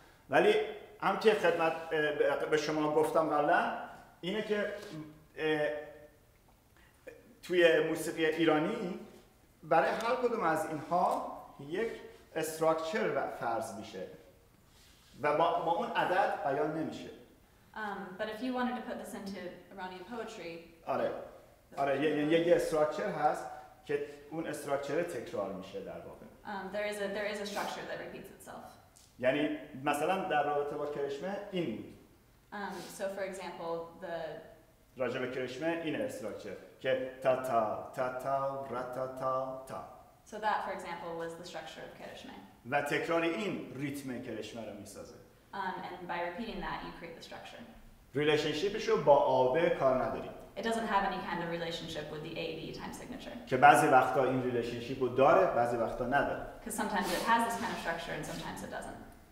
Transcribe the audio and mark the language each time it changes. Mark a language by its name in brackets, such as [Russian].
[Persian] ولی هم که خدمت به شما گفتم قبلا اینه که توی موسیقی ایرانی برای هر کدوم از اینها یک استراکچر فرض میشه و با اون عدد بیان نمیشه. [English] But if you wanted to put this into Iranian poetry. [Persian] آره یه استراکچر هست که اون استراکچر تکرار میشه در واقع. [English] There is a structure that repeats itself. [Persian] یعنی مثلا در رابطه با کرشمه این بود. [English] So for example the [Persian] راجع به کرشمه این استراکچر که تا تا تا تا را تا تا تا. [English] So that for example was the structure of کرشمه. [Persian] و تکرار این ریتم کرشمه رو میسازه. [English] And by repeating that you create the structure. [Persian] ریلیشنشیپش رو با آبه کار نداریم. [English] It doesn't have any kind of relationship with the AB time signature. [Persian] که بعضی وقتا این ریلیشنشیپ رو داره، بعضی وقتا نداره. [English] Because sometimes it has this kind of structure and sometimes it doesn't.